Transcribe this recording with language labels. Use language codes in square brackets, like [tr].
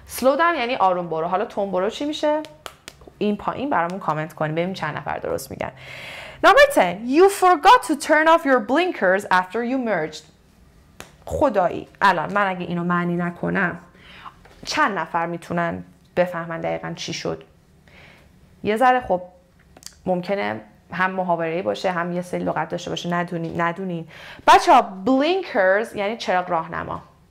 [en] slow down [fa] یعنی آروم برو، حالا تون برو چی میشه؟ این پایین برامون کامنت کنیم ببینیم چند نفر درست میگن. [en] Number 10. You forgot to turn off your blinkers after you merged. [fa] خدایی الان من اگه اینو معنی نکنم چند نفر میتونن بفهمن دقیقا چی شد؟ یه ذره خب ممکنه هم محاوره‌ای باشه هم یه سری لغت داشته باشه ندونین. بچه ها blinkers یعنی چراغ راهنما.